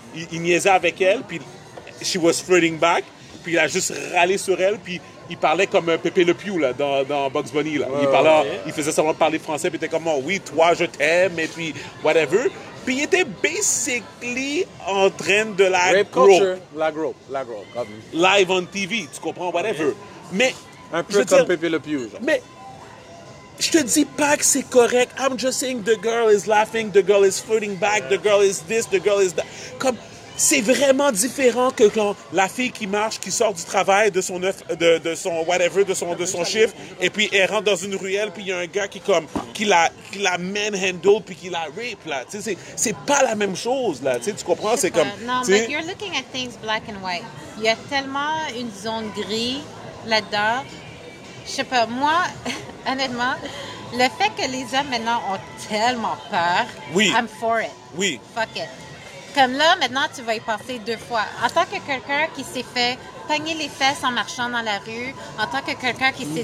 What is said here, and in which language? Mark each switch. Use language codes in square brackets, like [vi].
[fr] Il niaisait avec elle, puis [en] she was flirting back. [fr] Puis il a juste râlé sur elle, puis il parlait comme Pépé Le Pew, là, dans Bugs Bunny, là. Il faisait semblant de parler français, puis il était comme, oh, oui, toi, je t'aime, et puis whatever. Puis il était basically en train de la rape grow. La grow. [en] Live on TV, [fr] tu comprends, whatever. Mais un peu comme Pepe Le Pew, genre. Mais je te dis pas que c'est correct. [en] I'm just saying the girl is laughing, the girl is flirting back, the girl is this, the girl is that. [fr] Comme, c'est vraiment différent que quand la fille qui marche, qui sort du travail, de son neuf, de son whatever, de son chiffre, et puis elle rentre dans une ruelle, puis il y a un gars qui, comme, qui la manhandle, puis qui la rape, là. Tu sais, c'est pas la même chose, là. Tu sais, tu comprends? C'est comme... Non, mais [en] you're looking at things black and white. [fr] Il y a tellement une zone grise là-dedans. Je sais pas, moi, honnêtement, le fait que les hommes, maintenant, ont tellement peur, [en] I'm for it. [fr] Oui. [en] Fuck it. [fr] Comme là, maintenant, tu vas y passer deux fois. En tant que quelqu'un qui s'est fait pogner les fesses en marchant dans la rue, en tant que quelqu'un qui s'est